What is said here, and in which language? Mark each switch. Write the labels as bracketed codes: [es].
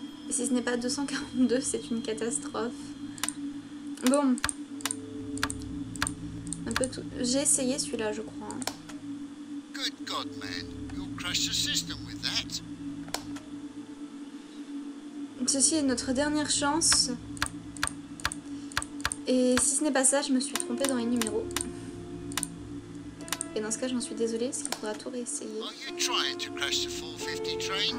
[fr] Si ce n'est pas 242, c'est une catastrophe. Bon. Un peu tout. J'ai essayé celui-là, je crois. [en] Good God, man. You'll crush the system with that. [fr] Ceci est notre dernière chance. Et si ce n'est pas ça, je me suis trompée dans les numéros. Et dans ce cas, j'en suis désolée, parce qu'il faudra tout réessayer. [en] Are you trying to crush the 450 train?